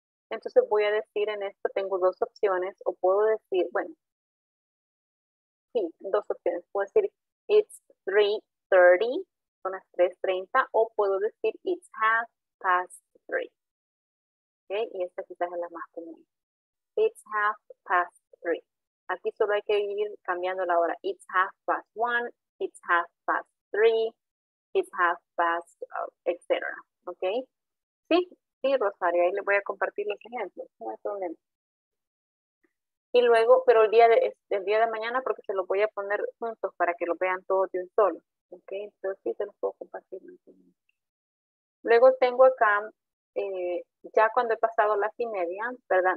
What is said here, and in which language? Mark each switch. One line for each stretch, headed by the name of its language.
Spanish: Entonces voy a decir en esto, tengo dos opciones, o puedo decir, bueno, sí, dos opciones. Puedo decir,
English: it's 3:30,
Spanish: son las 3:30, o puedo decir,
English: it's half past 3.
Spanish: ¿Ok? Y esta quizás es la más común.
English: It's half past 3.
Spanish: Aquí solo hay que ir cambiando la hora.
English: It's half past 1, it's half past 3, it's half past, etc.
Spanish: ¿Ok? ¿Sí? Sí, Rosario, ahí les voy a compartir los ejemplos. No hay problema. Y luego, pero el día de mañana, porque se los voy a poner juntos para que lo vean todos de un solo. ¿Ok? Entonces sí se los puedo compartir. Luego tengo acá, ya cuando he pasado las y media, ¿verdad?